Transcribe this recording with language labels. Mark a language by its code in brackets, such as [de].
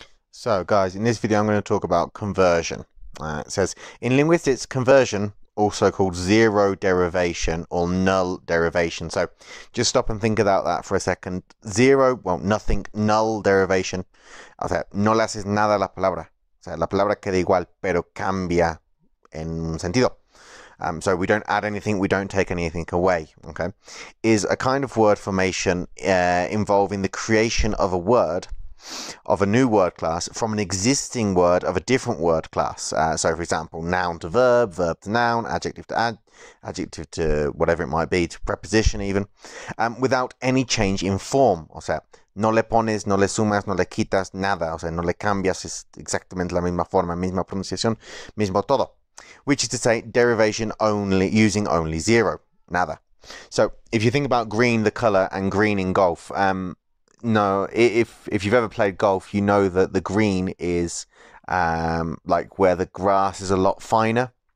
[en] So, guys, in this video, I'm going to talk about conversion. It says, in linguistics, conversion, also called zero derivation or null derivation. So, just stop and think about that for a second. Zero, well, nothing, null derivation. [es] O sea, no le haces nada a la palabra. O sea, la palabra queda igual, pero cambia en un sentido. [en] So, we don't add anything, we don't take anything away. Okay. Is a kind of word formation involving the creation of a word. Of a new word class from an existing word of a different word class. So, for example, noun to verb, verb to noun, adjective to adjective to whatever it might be, to preposition even, without any change in form. [es] O sea, no le pones, no le sumas, no le quitas nada. O sea, no le cambias, es exactamente la misma forma, misma pronunciación, mismo todo. [en] Which is to say, derivation only, using only zero, nada. So, if you think about green, the color, and green in golf, no, if you've ever played golf, you know that the green is like where the grass is a lot finer.